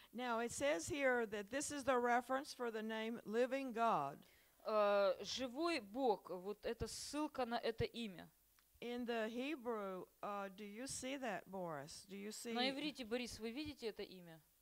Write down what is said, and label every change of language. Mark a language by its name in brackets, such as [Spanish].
[English] Now it says here that this is the reference for the name Living God. [Russian] Живой Бог. Вот это ссылка на это имя. [English] In the Hebrew, do you see that, Boris? Do you see? [Russian] На иврите, Борис, вы видите это имя?